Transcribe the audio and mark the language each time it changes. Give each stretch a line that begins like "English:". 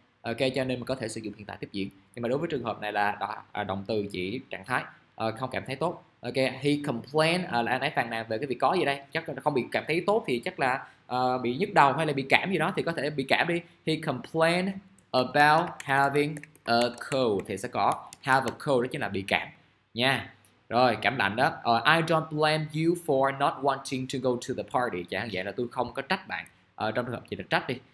Vietnamese: Ok, cho nên mình có thể sử dụng hiện tại tiếp diễn. Nhưng mà đối với trường hợp này là động từ chỉ trạng thái, không cảm thấy tốt. Ok,
English: he complained
Vietnamese: là anh ấy phàn nàn về cái việc có gì đây. Chắc là không bị cảm thấy tốt thì chắc là bị nhức đầu hay là bị cảm gì đó thì có thể bị cảm đi.
English: He complained about having a cold
Vietnamese: thì sẽ có
English: have a cold,
Vietnamese: đó chính là bị cảm nha. Rồi, cảm lạnh đó.
English: I don't blame you for not wanting to go to the party.
Vietnamese: Chẳng hạn vậy là tôi không có trách bạn. Trong trường hợp chỉ là trách đi.